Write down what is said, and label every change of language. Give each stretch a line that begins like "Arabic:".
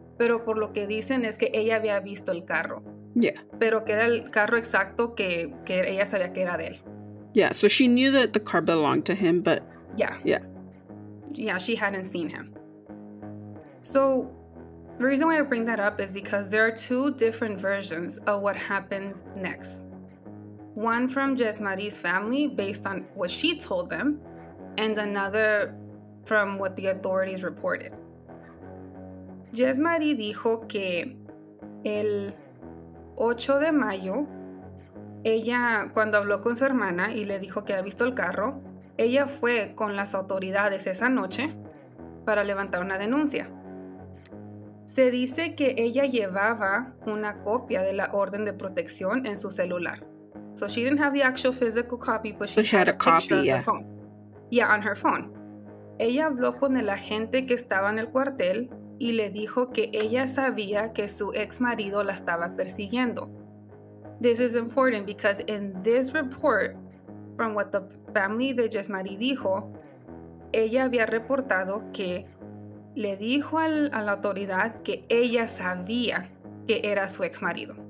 Spanish: Pero por lo que dicen es que ella había visto el carro.
English: Yeah.
Spanish: Pero que era el carro exacto que ella sabía que era de él.
English: Yeah, so she knew that the car belonged to him, but... Yeah. Yeah. Yeah, she hadn't seen him. So, the reason why I bring that up is because there are 2 different versions of what happened next. One from Jesmarie's family, based on what she told them, and another from what the authorities reported.
Spanish: Jesmarie dijo que el 8 de mayo, ella, cuando habló con su hermana y le dijo que había visto el carro, ella fue con las autoridades esa noche para levantar una denuncia. Se dice que ella llevaba una copia de la orden de protección en su celular.
English: So she didn't have the actual physical copy, but she had a copy, yeah. The phone. Yeah, on her phone.
Spanish: Ella habló con el agente que estaba en el cuartel y le dijo que ella sabía que su ex marido la estaba persiguiendo.
English: This is important because in this report, from what the family
Spanish: de Jesmarie dijo, ella había reportado que le dijo a la autoridad que ella sabía que era su ex marido.